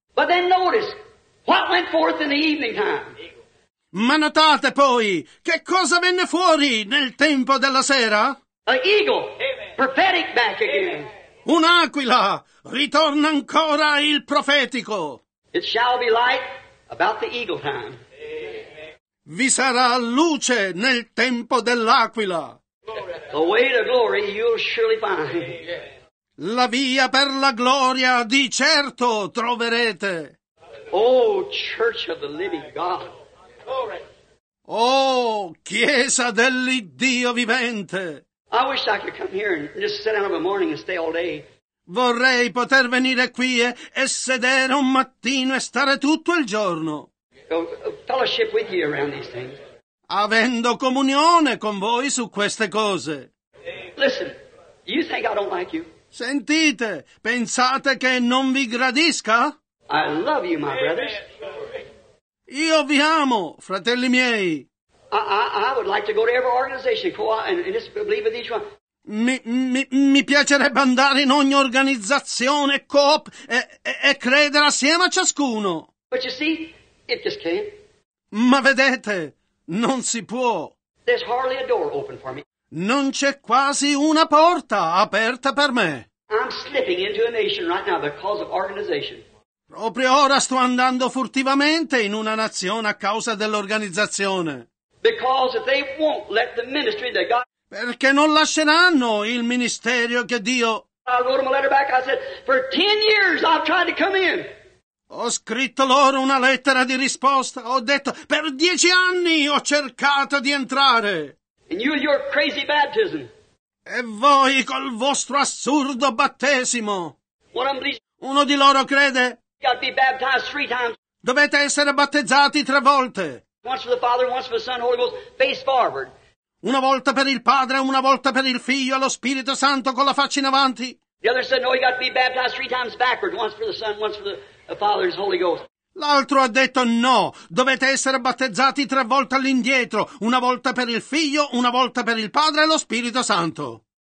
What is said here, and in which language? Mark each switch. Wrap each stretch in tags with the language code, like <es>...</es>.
<en>But then notice, what went forth in the evening time?</en> <it>Ma notate poi, che cosa venne fuori nel tempo della sera?</it> <en>An eagle, prophetic back again. Amen.</en> <it>Un'aquila, ritorna ancora il profetico.</it> <en>It shall be light about the eagle time. Amen.</en> <it>Vi sarà luce nel tempo dell'aquila.</it> <en>The way to glory you'll surely find. Amen.</en> <it>La via per la gloria di certo troverete.</it> <en>Oh, church of the living God.</en> <it>Oh, chiesa dell'Iddio vivente.</it> <en>I wish I could come here and just sit down of a morning and stay all day.</en> <it>Vorrei poter venire qui e sedere un mattino e stare tutto il giorno.</it> <en>Fellowship with you around these things.</en> <it>Avendo comunione con voi su queste cose.</it> <en>Listen, you think I don't like you?</en> <it>Sentite, pensate che non vi gradisca?</it> <en>I love you, my brothers.</en> <it>Io vi amo, fratelli miei.</it> <en>I would like to go to every organization, and just believe with each one.</en> <it>Mi piacerebbe andare in ogni organizzazione, coop, e credere assieme a ciascuno.</it> <en>But you see, it just can't.</en> <it>Ma vedete, non si può.</it> <en>There's hardly a door open for me.</en> <it>Non c'è quasi una porta aperta per me.</it> <en>I'm slipping into a nation right now because of organization.</en> <it>Proprio ora sto andando furtivamente in una nazione a causa dell'organizzazione.</it> <en>Because if they won't let the ministry that God...</en> <it>Perché non lasceranno il ministero che Dio...</it> <en>I wrote them a letter back. I said, for 10 years I've tried to come in.</en> <it>Ho scritto loro una lettera di risposta. Ho detto, per 10 anni ho cercato di entrare.</it> <en>And you and your crazy baptism.</en> <it>E voi col vostro assurdo battesimo. Uno di loro crede...</it> <en>You've got to be baptized 3 times.</en> <it>Dovete essere battezzati 3 volte.</it> <en>Once for the Father, once for the Son, Holy Ghost, face forward.</en> <it>Una volta per il Padre, una volta per il Figlio, allo Spirito Santo con la faccia in avanti.</it> <en>The other said, no, you got to be baptized 3 times backward, once for the Son, once for the Father, and the Holy Ghost.</en> <it>L'altro ha detto, no, dovete essere battezzati 3 volte all'indietro, una volta per il Figlio, una volta per il Padre e lo Spirito Santo.</it>